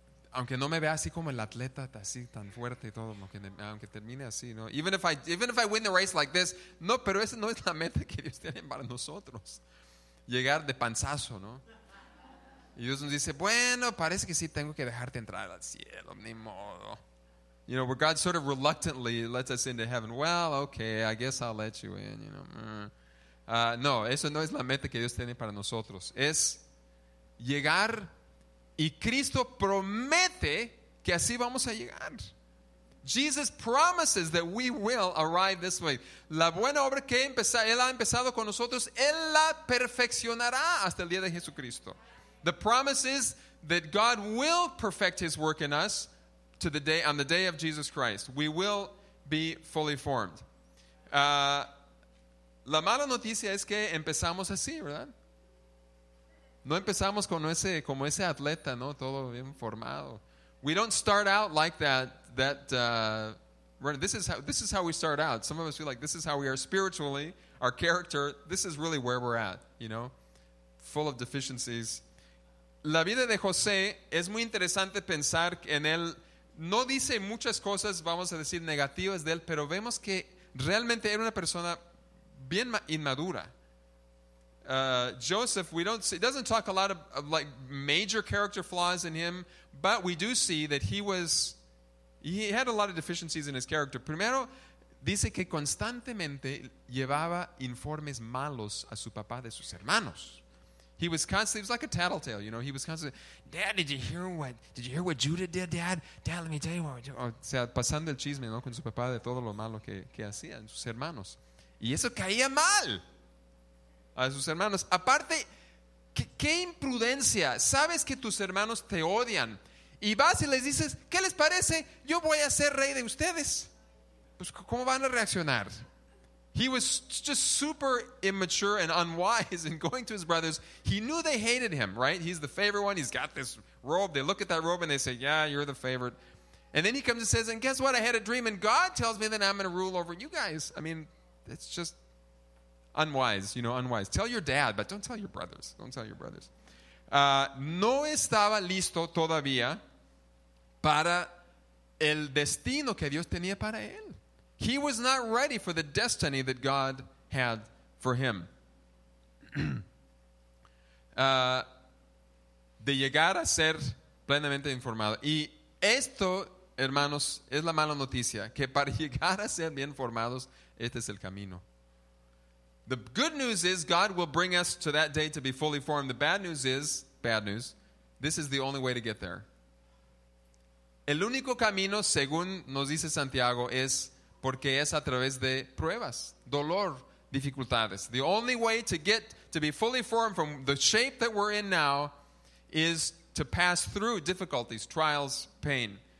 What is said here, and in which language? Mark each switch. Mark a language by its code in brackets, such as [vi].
[es] Aunque no me vea así como el atleta, así tan fuerte y todo, aunque termine así, ¿no? [en] Even if I win the race like this, [es] no, pero esa no es la meta que Dios tiene para nosotros. Llegar de panzazo, ¿no? Y Dios nos dice, bueno, parece que sí tengo que dejarte entrar al cielo, ni modo. [en] You know, where God sort of reluctantly lets us into heaven. Well, okay, I guess I'll let you in, you know. [es] No, eso no es la meta que Dios tiene para nosotros. Es llegar, y Cristo promete que así vamos a llegar. [en] Jesus promises that we will arrive this way. [es] La buena obra que él ha empezado con nosotros, él la perfeccionará hasta el día de Jesucristo. [en] The promise is that God will perfect his work in us to the day, on the day of Jesus Christ. We will be fully formed. [es] La mala noticia es que empezamos así, ¿verdad? No empezamos con ese, como ese atleta, ¿no? Todo bien formado. [en] We don't start out like that. This is how we start out. Some of us feel like this is how we are spiritually, our character. This is really where we're at, you know, full of deficiencies. [es] La vida de José es muy interesante pensar en él. No dice muchas cosas, vamos a decir, negativas de él, pero vemos que realmente era una persona bien inmadura. [en] Joseph, it doesn't talk a lot of like major character flaws in him, but we do see that he had a lot of deficiencies in his character. [es] Primero, dice que constantemente llevaba informes malos a su papá de sus hermanos. [en] He was constantly, it was like a tattletale, you know, he was constantly, Dad, did you hear what Judah did, Dad? Dad, let me tell you what we do. [es] O sea, pasando el chisme, ¿no? Con su papá de todo lo malo que hacían sus hermanos. Y eso caía mal a sus hermanos. Aparte, qué imprudencia. Sabes que tus hermanos te odian. Y vas y les dices, ¿qué les parece? Yo voy a ser rey de ustedes. Pues, ¿cómo van a reaccionar? [en] He was just super immature and unwise in going to his brothers. He knew they hated him, right? He's the favorite one. He's got this robe. They look at that robe and they say, yeah, you're the favorite. And then he comes and says, and guess what? I had a dream and God tells me that I'm going to rule over you guys. I mean, it's just unwise, you know, unwise. Tell your dad, but don't tell your brothers. Don't tell your brothers. [es] No estaba listo todavía para el destino que Dios tenía para él. [en] He was not ready for the destiny that God had for him. [es] De llegar a ser plenamente informado. Y esto, hermanos, es la mala noticia, que para llegar a ser bien formados, este es el camino. [en] The good news is God will bring us to that day to be fully formed. The bad news is, this is the only way to get there. [es] El único camino, según nos dice Santiago, es porque es a través de pruebas, dolor, dificultades. [en] The only way to get to be fully formed from the shape that we're in now is to pass through difficulties, trials, pain.